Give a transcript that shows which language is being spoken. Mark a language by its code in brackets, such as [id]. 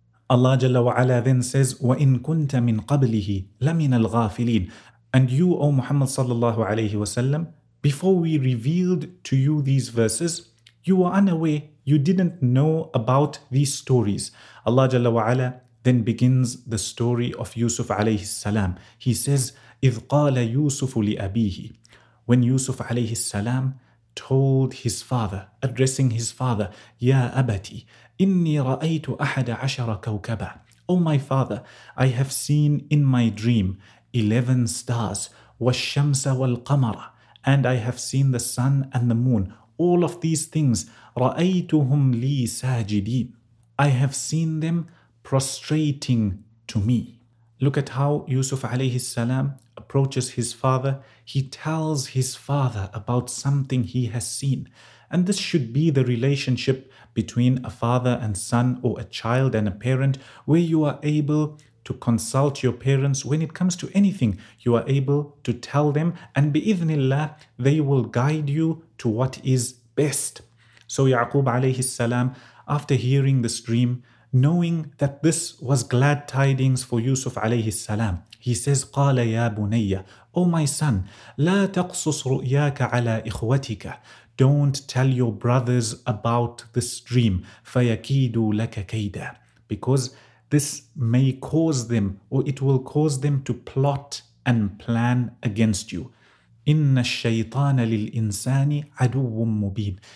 [ar] Allah Jalla wa Ala [en] then says, [ar] وَإِن كُنْتَ مِنْ قَبْلِهِ لَمِنَ الْغَافِلِينَ. [en] And you, O Muhammad sallallahu alayhi wa sallam, before we revealed to you these verses, you were unaware, you didn't know about these stories. Allah Jalla wa Ala then begins the story of Yusuf alayhi salam. He says, [ar] إِذْ قَالَ يُوسُفُ لِأَبِيهِ. [en] When Yusuf alayhi salam told his father, addressing his father, [ar] يَا أَبَتِي إِنِّي رَأَيْتُ أَحَدَ عَشَرَ كَوْكَبًا. [en] O my father, I have seen in my dream 11 stars, [ar] وَالشَّمْسَ وَالْقَمَرَ, [en] and I have seen the sun and the moon. All of these things, [ar] رَأَيْتُهُمْ لِي سَاجِدِينَ. [en] I have seen them prostrating to me. Look at how Yusuf alayhi salam approaches his father. He tells his father about something he has seen. And this should be the relationship between a father and son, or a child and a parent, where you are able to consult your parents when it comes to anything. You are able to tell them, and bi-idhnillah, they will guide you to what is best. So Yaqub alayhi salam, after hearing this dream, knowing that this was glad tidings for Yusuf alayhi salam, he says, [ar] قَالَ يَا بُنَيَّ. [en] O my son, [ar] لَا تَقْصُصْ رُؤْيَاكَ عَلَىٰ إِخْوَتِكَ. [en] Don't tell your brothers about this dream. [ar] فَيَكِيدُوا لَكَ كَيْدًا. [en] Because this may cause them, or it will cause them to plot and plan against you. [ar] إِنَّ الشَّيْطَانَ لِلْإِنسَانِ عَدُوٌ مُبِينٌ.